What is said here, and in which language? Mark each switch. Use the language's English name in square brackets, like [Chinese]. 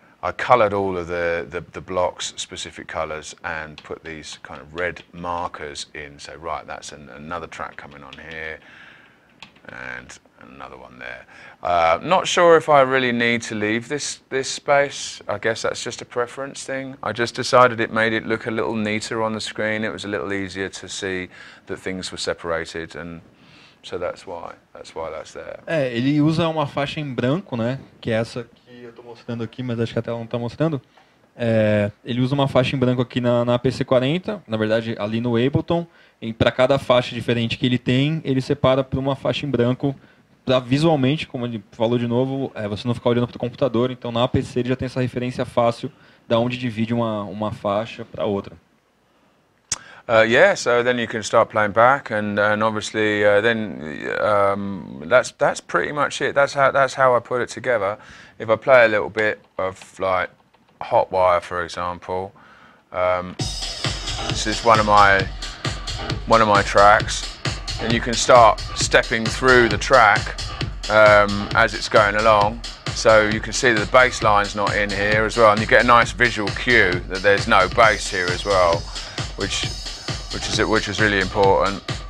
[English] I colored all of the blocks, specific colors, and put these kind of red markers in. So right, that's another track coming on here. And another one there. Not sure if I really need to leave this space. I guess that's just a preference thing. I just decided it made it look a little neater on the screen. It was a little easier to see that things were separated, and so that's why that's there. [Portuguese] É, ele usa uma faixa em branco, né? Que é essa que eu tô mostrando aqui, mas acho que a tela não tá mostrando. É, ele usa uma faixa em branco aqui na PC40, na verdade ali no Ableton, e para cada faixa diferente que ele tem, ele separa por uma faixa em branco, para visualmente, como ele falou de novo, você não ficar olhando para o computador, então na PC ele já tem essa referência fácil da onde divide uma faixa para outra. [English] Yeah, so then you can start playing back, and obviously then that's pretty much it. That's how I put it together. If I play a little bit of like Hot Wire, for example, this is one of my tracks, and you can start stepping through the track as it's going along, so you can see that the bass line's not in here as well, and you get a nice visual cue that there's no bass here as well, which is really important.